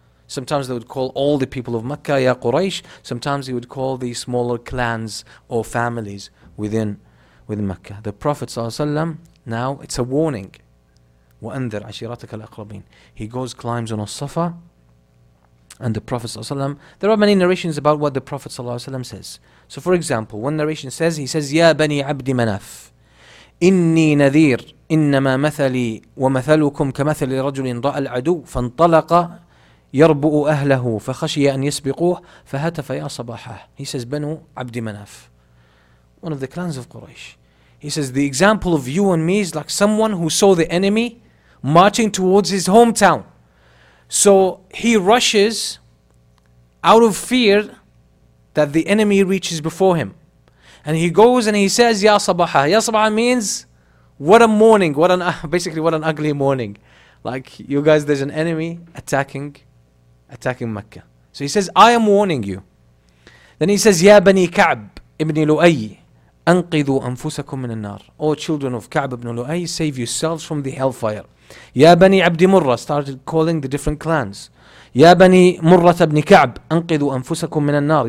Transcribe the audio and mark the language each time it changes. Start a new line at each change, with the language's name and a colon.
English: Sometimes they would call all the people of Mecca, Ya Quraysh. Sometimes he would call the smaller clans or families within Mecca. The Prophet ﷺ, now it's a warning.
Arabic: وَأَنذِرْ عَشِيرَتَكَ الْأَقْرَبِينَ.
English: He goes, climbs on As-Safa, and the Prophet ﷺ, there are many narrations about what the Prophet ﷺ says. So for example, one narration says, he says,
Arabic: Ya Bani Abdi Manaf, إِنِّي نَذِيرْ إِنَّمَا مَثَلِي وَمَثَلُكُمْ كَمَثَلِ رَجُلٍ رَأَى الْعَدُوْ فَانْطَلَقَ يَرْبُؤُ أَهْلَهُ فَخَشِيَ أَنْ يَسْبِقُوهُ فَهَتَفَ يَا صَبَاحَهُ.
English: He says, Banu Abdi Manaf, one of the clans of Quraysh. He says, the example of you and me is like someone who saw the enemy marching towards his hometown. So he rushes out of fear that the enemy reaches before him. And he goes and he says, Ya Sabaha. Ya Sabaha means, what a morning, what an ugly morning. Like, you guys, there's an enemy attacking Mecca. So he says, I am warning you. Then he says, Ya Bani Ka'b ibn Lu'ayy,
Arabic: أنقذوا أنفسكم من النار.
English: All children of Ka'b ibn Lu'ay, save yourselves from the hellfire.
Arabic: يا بني عبد مرة,
English: started calling the different clans.
Arabic: يا بني مرة ابن كعب, أنقذوا أنفسكم من النار.